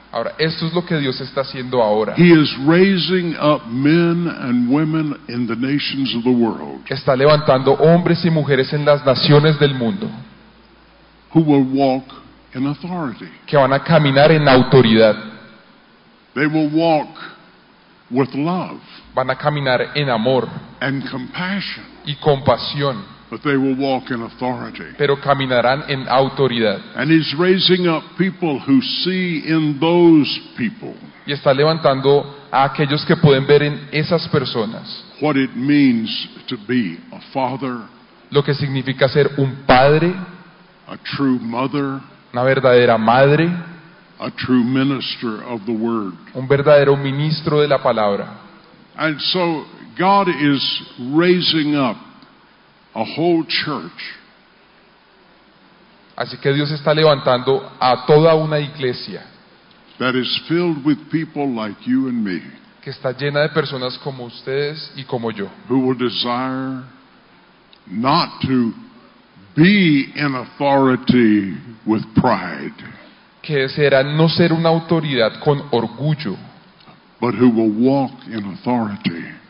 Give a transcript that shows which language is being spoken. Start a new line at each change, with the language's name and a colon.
Spanish: Ahora, esto es lo que Dios está haciendo ahora.
English: He is raising up men and women in the nations of the world.
Spanish: Está levantando hombres y mujeres en las naciones del mundo.
English: Who will walk in authority.
Spanish: Que van a caminar en autoridad.
English: They will walk with love.
Spanish: Van a caminar en amor.
English: And compassion.
Spanish: Y compasión.
English: But they will walk in authority.
Spanish: Pero caminarán en autoridad.
English: And he's raising up people who see in those people.
Spanish: Y está levantando a aquellos que pueden ver en esas personas.
English: What it means to be a father.
Spanish: Lo que significa ser un padre.
English: A true mother.
Spanish: Una verdadera madre.
English: A true minister of the word.
Spanish: Un verdadero ministro de la palabra.
English: And so God is raising up a whole church.
Spanish: Así que Dios está levantando a toda una iglesia.
English: That is filled with people like you and me.
Spanish: Que está llena de personas como ustedes y como yo.
English: Who will desire not to be in authority with pride.
Spanish: Que deseará no ser una autoridad con orgullo.
English: But who will walk in authority.